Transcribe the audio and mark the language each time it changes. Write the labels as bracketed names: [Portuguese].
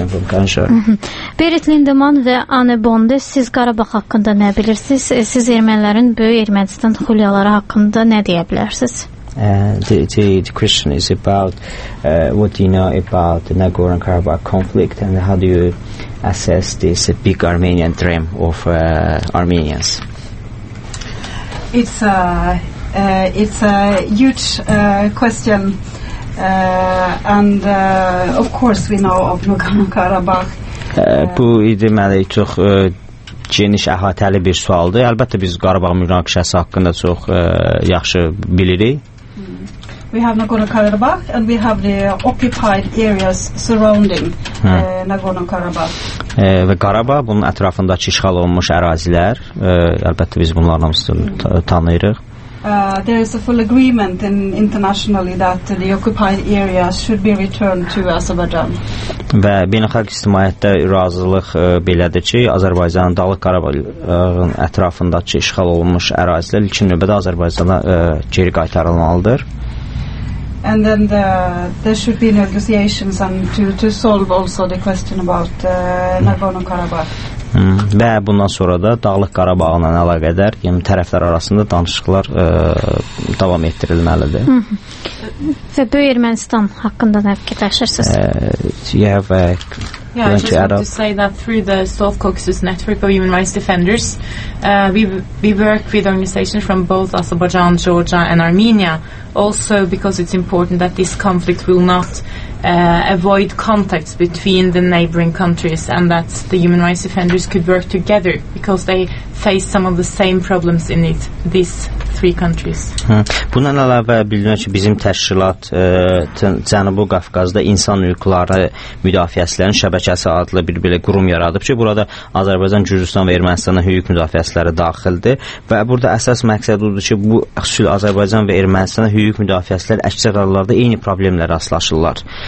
[Azerbaijani] Berit Lindeman və Anne Bonde, siz Qarabağ haqqında nə bilirsiniz? Siz ermənilərin böyük Ermənistan xulyaları haqqında nə deyə bilərsiniz? [English] The question is about what do you know about the Nagorno-Karabakh conflict and how do you assess this big Armenian dream of Armenians? It's a huge question. Of course we know of Nagorno-Karabakh. [Azerbaijani] Bu deməli çox geniş əhatəli bir sualdır. Əlbəttə biz Qarabağ münaqişəsi haqqında çox yaxşı bilirik. [English] We have Nagorno-Karabakh and we have the occupied areas surrounding Nagorno-Karabakh. [Azerbaijani] Və Qarabağ bunun ətrafındakı işğal olunmuş ərazilər, əlbəttə biz bunları tanıyırıq. [English] There is a full agreement in internationally that the occupied areas should be returned to Azerbaijan. [Azerbaijani] Və beynəlxalq ictimaiyyətdə razılıq belədir ki, Azərbaycanın Dağlıq Qarabağın ətrafındakı işğal olunmuş ərazilər ilkin növbədə Azərbaycana geri qaytarılmalıdır. [English] And then there should be negotiations and to solve also the question about Nagorno-Karabakh. [Azerbaijani] Və bundan sonra da Dağlıq Qarabağla əlaqədar, yəni tərəflər arasında danışıqlar davam etdirilməlidir. Və Böyük Ermənistan haqqında nə fikirləşirsiniz? [English] I just want to say that through the South Caucasus Network of Human Rights Defenders, we work with organizations from both Azerbaijan, Georgia and Armenia, also because it's important that this conflict will not avoid contacts between the neighboring countries and that the human rights defenders could work together because they face some of the same problems in it, this countries. [Azerbaijani] Bundan əlavə bildirilir ki, bizim təşkilat Cənubi Qafqazda insan hüquqları müdafiəçilərinin şəbəkəsi adlı bir belə qurum yaradıb ki, burada Azərbaycan, Gürcüstan və Ermənistanın hüquq müdafiəçiləri daxildir və burada əsas məqsəd odur ki, bu xüsusilə Azərbaycan və Ermənistanın hüquq müdafiəçiləri əksər hallarda eyni problemlə rastlaşırlar.